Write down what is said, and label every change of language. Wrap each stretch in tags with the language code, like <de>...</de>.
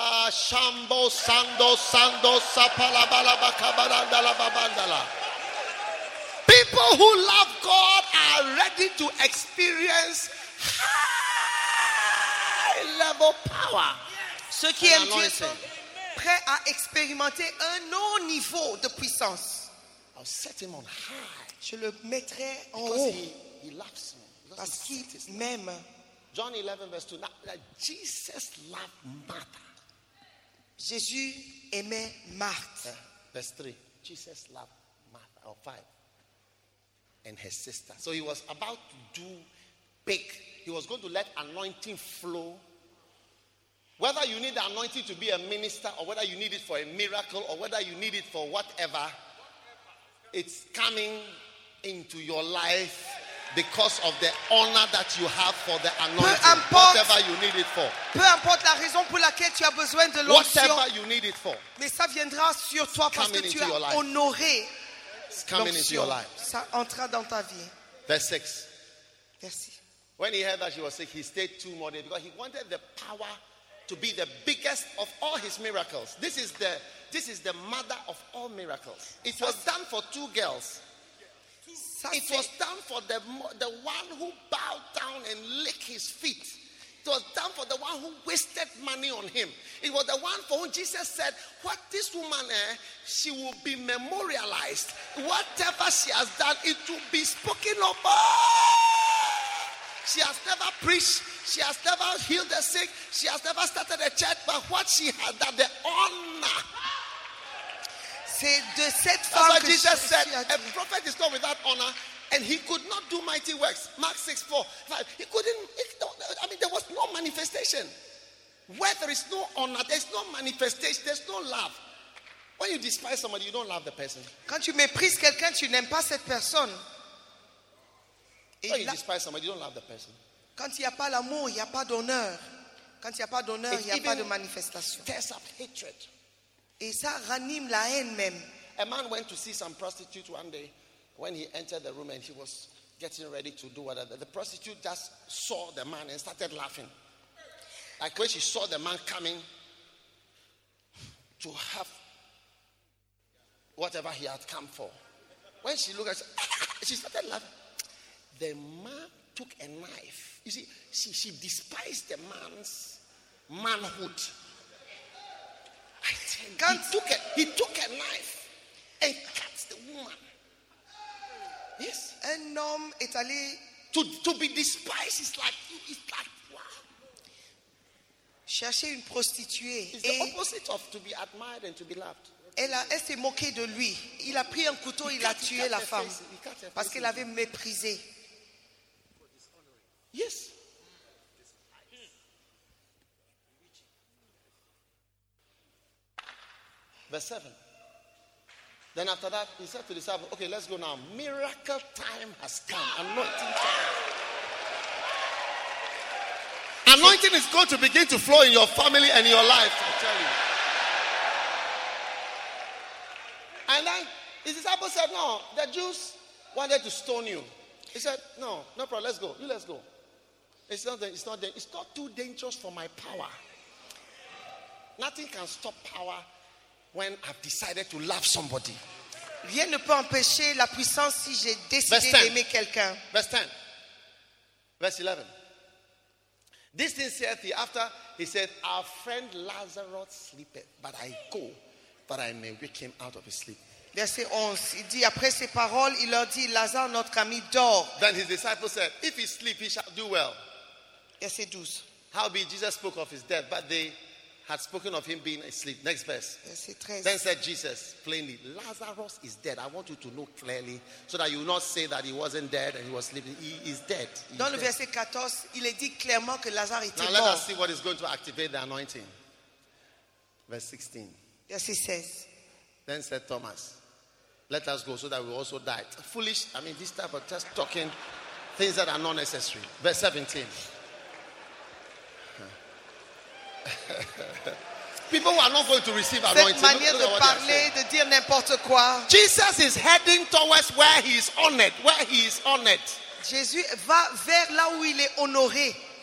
<en>Shambo, sando, sando, sapalabala, bakabalandala, babandala. People who love God are ready to experience high level power. Yes.</en> <fr>Ceux qui aiment Dieu sont prêt à expérimenter un haut niveau de puissance.</fr> <en>I'll set him on high.</en> <fr>Je le mettrai en</fr> <en>because</en> <fr>haut.</fr> <en>He loves me.</en> <fr>Parce qu'il m'aime.</fr> <en>John 11, verse 2. Now, Jesus loved Martha.</en> <fr>Jésus aimait Martha.</fr> <en>Verse 3. Jesus loved Martha, or 5. And her sister. So he was about to do big. He was going to let anointing flow. Whether you need the anointing to be a minister, or whether you need it for a miracle, or whether you need it for whatever, it's coming into your life because of the honor that you have for the anointing.</en> <fr>Peu importe,</fr> <en>whatever you need it for.</en> <fr>Peu importe la raison pour laquelle tu as besoin de</fr> <en>l'onction. Whatever you need it for.</en> <fr>Mais ça viendra sur toi parce que tu as honoré l'onction. Ça entrera dans ta vie.</fr> <en>Verse 6.</en> <fr>Merci.</fr> <en>When he heard that she was sick, he stayed 2 more days because he wanted the power to be the biggest of all his miracles. This is the mother of all miracles. It was done for 2 girls. It was done for the one who bowed down and licked his feet. It was done for the one who wasted money on him. It was the one for whom Jesus said, what this woman, she will be memorialized. Whatever she has done, it will be spoken of. She has never preached. She has never healed the sick. She has never started a church. But what she had done, the honor.</en> <fr>C'est de cette</fr> <en>femme. That's what Jesus said. A prophet is not without honor. And he could not do mighty works. Mark 6:4-5. He couldn't. There was no manifestation. Where there is no honor, there's no manifestation, there's no love. When you despise somebody, you don't love the person.</en> <fr>Quand tu méprises quelqu'un, tu n'aimes pas cette personne.</fr> <en>Et when you despise somebody, you don't love the person.</en> <fr>Quand il n'y a pas l'amour, il n'y a pas d'honneur. Quand il n'y a pas d'honneur, il n'y a pas de manifestation.</fr> <en>It stirs up hatred.</en> <fr>Et ça ranime la haine même.</fr> <en>A man went to see some prostitute one day when he entered the room and he was getting ready to do whatever. The prostitute just saw the man and started laughing. Like when she saw the man coming to have whatever he had come for. When she looked at her, she started laughing. The man took a knife. You see, she despised the man's manhood. I tell you, he took a knife and cut the woman. Yes.</en> <fr>Un homme est allé.</fr> <en>To be despised is like you, it's like.</en> <fr>Chercher une prostituée.</fr> <en>It's the opposite of to be admired and to be loved.</en> <fr>Elle s'est moquée de lui. Il a pris un couteau, il a tué la femme. Parce qu'elle l'avait méprisé.</fr> <en>Yes. Verse 7. Then after that, he said to the disciples, okay, let's go now. Miracle time has come. Anointing time. Anointing is going to begin to flow in your family and your life, I tell you. And then his disciples said, no, the Jews wanted to stone you. He said, no, no problem, let's go. You let's go. It's not too dangerous for my power. Nothing can stop power when I've decided to love somebody.</en> <fr>Rien ne peut empêcher la puissance si j'ai décidé d'aimer quelqu'un.</fr> <en>Verse 10. Verse 11. This thing saith he after he said, our friend Lazarus sleepeth, but I go that I may wake him out of his sleep.</en> <fr>Verset 11. Il dit, après ces paroles, il leur dit, Lazare, notre ami, dort.</fr> <en>Then his disciples said, if he sleep, he shall do well.</en> <fr>Verset 12.</fr> <en>Howbeit Jesus spoke of his death, but they had spoken of him being asleep. Next verse.</en> <fr>Verset 13.</fr> <en>Then said Jesus plainly, Lazarus is dead. I want you to know clearly so that you will not say that he wasn't dead and he was sleeping. He is dead. He</en> <fr>dans</fr> <en>is</en> <fr>le</fr> <en>dead.</en> <fr>Verset 14, il est dit clairement que Lazare était</fr> <en>now</en> <fr>mort.</fr> <en>Now let us see what is going to activate the anointing. Verse 16.</en> <fr>Verset 16.</fr> <en>Then said Thomas, let us go so that we also die. Foolish, I mean this type of just talking things that are not necessary. Verse 17. People who are not going to receive anointing.</en> <fr>Cette manière de parler, de dire n'importe quoi.</fr> <en>Jesus is heading towards where he is honored. Where he is honored.</en> <fr>Jésus va vers là où il est honoré.</fr>